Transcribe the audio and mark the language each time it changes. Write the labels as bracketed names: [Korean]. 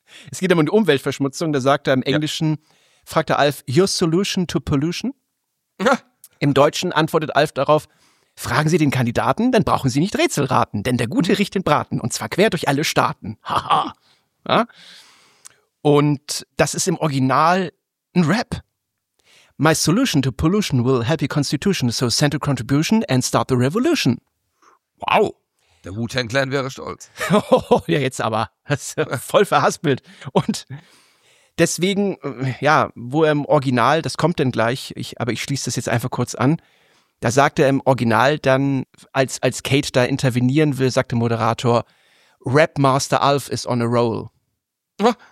[German] Es geht um die Umweltverschmutzung. Da sagt er im Englischen, fragt er Alf, [English] your solution to pollution? [German] Im Deutschen antwortet Alf darauf, fragen Sie den Kandidaten, dann brauchen Sie nicht Rätsel raten, denn der Gute riecht den Braten und zwar quer durch alle Staaten. Haha. Ja? Und das ist im Original ein Rap. [English] My solution to pollution will help your constitution, so send a contribution and start the revolution. [German] Wow, der Wu-Tang Clan wäre stolz. Ja, jetzt aber, das ist voll verhaspelt. Und deswegen, ja, wo er im Original, das kommt dann gleich, ich schließe das jetzt einfach kurz an, da sagt er im Original dann, als Kate da intervenieren will, sagt der Moderator, [English] Rapmaster Alf is on a roll. [German] Ja.